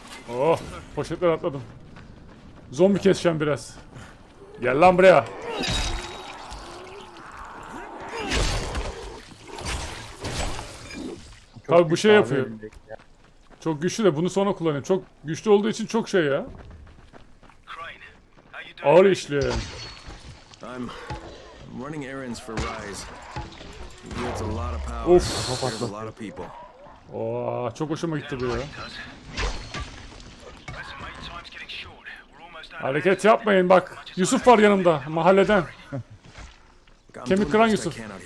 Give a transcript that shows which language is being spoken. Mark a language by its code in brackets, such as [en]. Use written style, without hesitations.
[tr] Oh poşetler atladım. Zombi keseceğim biraz. Gel lan buraya. Çok abi bu şey yapıyor. Ya. Çok güçlü de bunu sonra kullanayım. Çok güçlü olduğu için çok şey ya. Ağır işli. [en] I'm running errands for Rise. He has a lot of power. Of, of, of, of, of people. [tr] Oh, çok hoşuma gitti bu ya. Hareket yapmayın bak. Yusuf var yanımda mahalleden. Kemik kıran Yusuf.